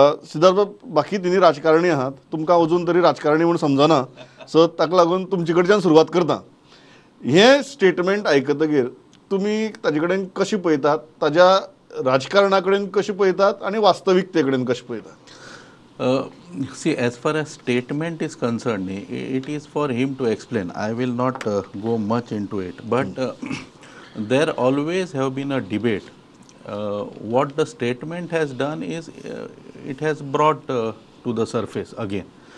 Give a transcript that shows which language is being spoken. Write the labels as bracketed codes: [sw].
[gom] सिद्धार्थ बाब, बाकी तिनी राजकारणी आहात, तुमकां अजून तरी राजकारणी म्हूण समजना, सो ताका लागून तुमचे कडच्यान सुरवात करता. हें स्टेटमेंट आयकतकीर तुमी ताजे कडेन कशें पळयतात, ताज्या राजकारणा कडेन कशें पळयतात आनी वास्तविकते कडेन कशें पळयतात? [en] See, as far as statement is concerned, it is for him to explain. I will not go much into it. But there always have been a debate. What the statement has done is, it has brought to the surface again.